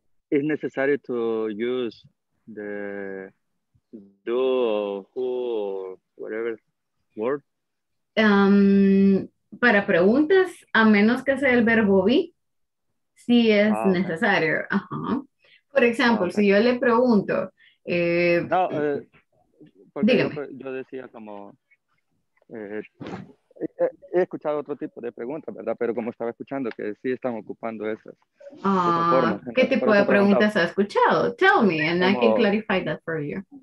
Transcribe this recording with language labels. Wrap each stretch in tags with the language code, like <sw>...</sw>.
<en>Is necessary to use the do or who or whatever word?</en> <es>Para preguntas, a menos que sea el verbo be, sí es necesario. Uh-huh. Por ejemplo, si yo le pregunto... yo decía como... he escuchado otro tipo de preguntas, ¿verdad? Pero como estaba escuchando, que sí están ocupando esas. ¿Qué tipo de preguntas has escuchado?</es> <en>Tell me,</en> <es>and como,</es> <en>I can clarify that for you.</en>